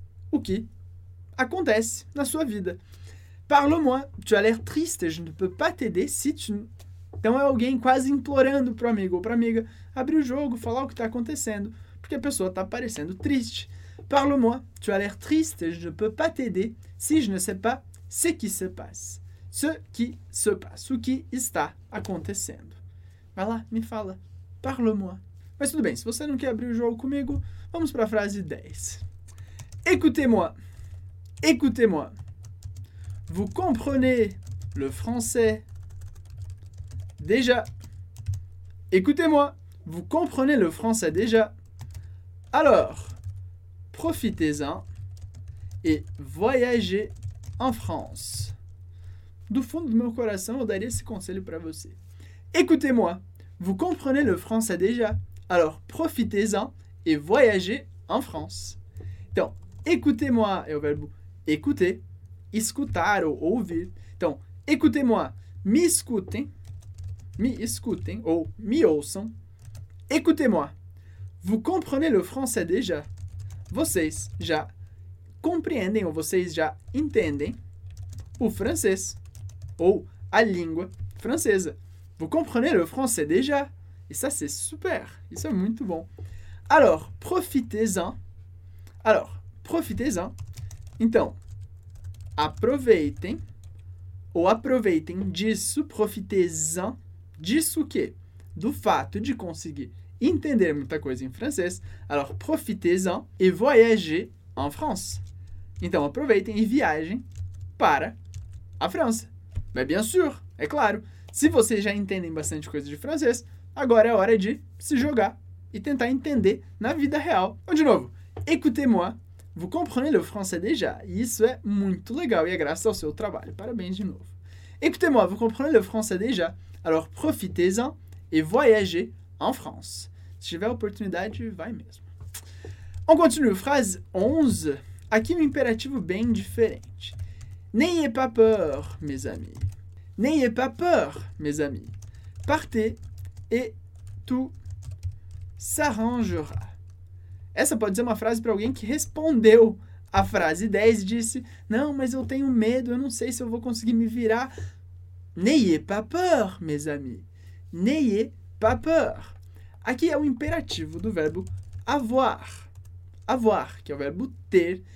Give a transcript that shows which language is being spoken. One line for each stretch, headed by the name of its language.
Portuguese: O que acontece na sua vida.
French: Parle-moi. Tu as l'air triste. Je ne peux pas t'aider. Si tu...
Portuguese: Então é alguém quase implorando pro amigo ou pra amiga abrir o jogo, falar o que está acontecendo. Porque a pessoa está parecendo triste.
French: Parle-moi. Tu as l'air triste. Je ne peux pas t'aider. Si je ne sais pas ce qui se passe. Ce qui se passe.
Portuguese: O que está acontecendo. Vai lá, me fala. Parle-moi. Mas tudo bem, se você não quer abrir o jogo comigo, vamos para a frase 10.
French: Écoutez-moi. Écoutez-moi. Vous comprenez le français déjà. Écoutez-moi. Vous comprenez le français déjà. Alors, profitez-en et voyagez en France.
Portuguese: Do fundo do meu coração, eu daria esse conselho para você.
French: Écoutez-moi. Vous comprenez le français déjà. Alors, profitez-en et voyagez en France.
Portuguese: Então, écoutez-moi é o verbo écouter, escutar ou ouvir. Então, écoutez-moi, me escutem ou me ouçam. Écoutez-moi.
French: Vous comprenez le français déjà?
Portuguese: Vocês já compreendem ou vocês já entendem o francês ou a língua francesa?
French: Vous comprenez le français déjà?
Portuguese: E
French: ça, c'est super.
Portuguese: Isso é muito bom.
French: Alors, profitez-en. Alors, profitez-en.
Portuguese: Então, aproveitem ou aproveitem disso, profitez-en. Disso o quê? Do fato de conseguir entender muita coisa em francês.
French: Alors, profitez-en et voyagez en France.
Portuguese: Então, aproveitem e viajem para a França. Mas,
French: bien sûr,
Portuguese: é claro. Se vocês já entendem bastante coisa de francês, agora é hora de se jogar e tentar entender na vida real. Então, de novo,
French: écoutez-moi, vous comprenez le français déjà.
Portuguese: E isso é muito legal e é graças ao seu trabalho. Parabéns de novo.
French: Écoutez-moi, vous comprenez le français déjà. Alors, profitez-en et voyagez en France.
Portuguese: Se tiver a oportunidade, vai mesmo.
French: On continue, phrase 11.
Portuguese: Aqui um imperativo bem diferente.
French: N'ayez pas peur, mes amis. N'ayez pas peur, mes amis. Partez et tout s'arrangera.
Portuguese: Essa pode ser uma frase para alguém que respondeu a frase 10 e disse: não, mas eu tenho medo, eu não sei se eu vou conseguir me virar.
French: N'ayez pas peur, mes amis. N'ayez pas peur.
Portuguese: Aqui é o imperativo do verbo avoir. Avoir, que é o verbo ter.